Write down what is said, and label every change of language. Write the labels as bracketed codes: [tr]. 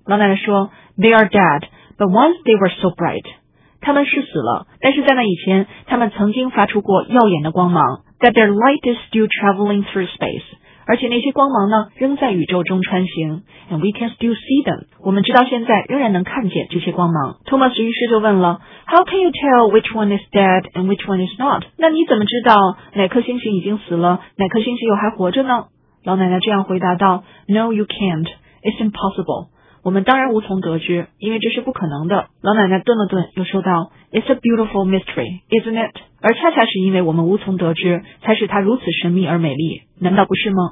[zh] 老奶奶说 [en] ，They are dead, but once they were so bright。 [zh] 他们是死了，但是在那以前，他们曾经发出过耀眼的光芒。 [en] That their light is still traveling through space。 [zh] 而且那些光芒呢，仍在宇宙中穿行。 [en] And we can still see them。 [zh] 我们直到现在仍然能看见这些光芒。 [en] Thomas [zh] 于是就问了 [en] ，How can you tell which one is dead and which one is not？ [zh] 那你怎么知道哪颗星星已经死了，哪颗星星又还活着呢？老奶奶这样回答道 [en] ，No, you can't. It's impossible. [zh] 我们当然无从得知，因为这是不可能的。老奶奶顿了顿，又说道 [en] ，It's a beautiful mystery, isn't it？ [zh] 而恰恰是因为我们无从得知，才使它如此神秘而美丽，难道不是吗？